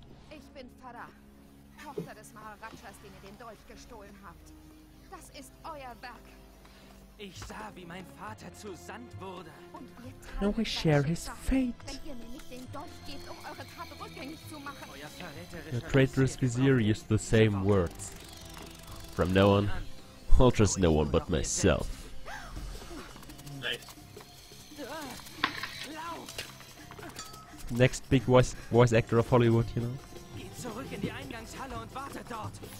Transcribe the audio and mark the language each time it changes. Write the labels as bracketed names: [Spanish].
[German] Ich bin Farah, Tochter des Maharajas, den ihr den Dolch gestohlen habt. Das ist euer Werk. Ich sah, wie mein Vater zu Sand wurde. [English] Now we share his fate. [German] Wenn ihr mir nicht den Dolch gebt, um eure Tat rückgängig zu machen. [English] The traitorous vizier used the same words. From now on, I'll trust no one but myself. Next big voice actor of Hollywood, you know. [German] Geht zurück in die Eingangshalle und wartet dort.